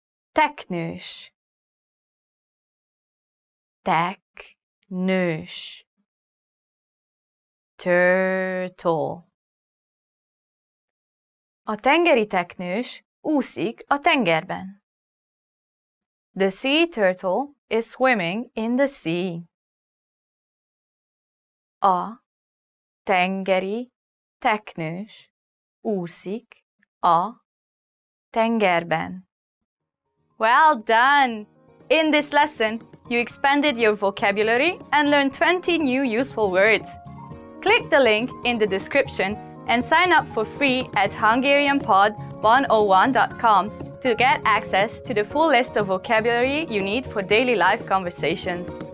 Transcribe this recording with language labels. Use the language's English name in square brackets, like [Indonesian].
[Hungarian] Teknős. Teknős. Turtle. A tengeri teknős úszik a tengerben. [English] The sea turtle is swimming in the sea. [Hungarian] A tengeri teknős úszik a tengerben. [English] Well done! In this lesson, you expanded your vocabulary and learned 20 new useful words. Click the link in the description and sign up for free at HungarianPod101.com to get access to the full list of vocabulary you need for daily life conversations.